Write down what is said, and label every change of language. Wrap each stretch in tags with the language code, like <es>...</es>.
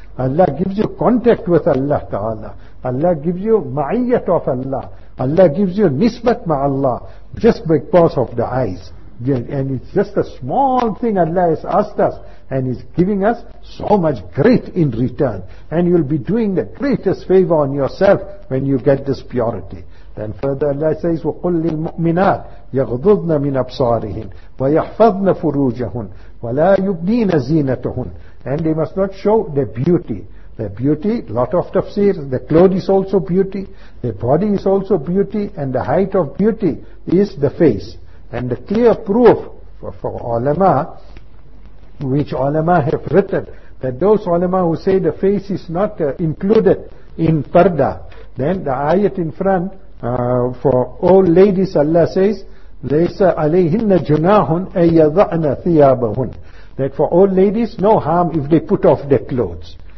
<en>Allah gives you contact with Allah Ta'ala. Allah gives you ma'iyat of Allah. Allah gives you nisbat ma'Allah, just because of the eyes. And it's just a small thing Allah has asked us, and He's giving us so much great in return. And you'll be doing the greatest favor on yourself when you get this purity.</en> <ar>Then further Allah says, وَقُلْ لِلْمُؤْمِنَاتِ يَغْضُضْنَ مِنْ أَبْصَارِهِنَّ وَيَحْفَظْنَ فُرُوجَهُنَّ وَلَا يُبْدِينَ زِينَتَهُنَّ.</ar> <en>And they must not show their beauty. Their beauty, lot of tafsir, the clothes is also beauty, the body is also beauty, and the height of beauty is the face. And the clear proof for ulama which ulama have written, that those ulama who say the face is not included in parda, then the ayat in front for all ladies, Allah says,</en> <ar>لَيْسَ عَلَيْهِنَّ جُنَاهٌ أَيَّضَعْنَ ثِيَابَهُنْ,</ar> <en>that for all ladies, no harm if they put off their clothes.</en>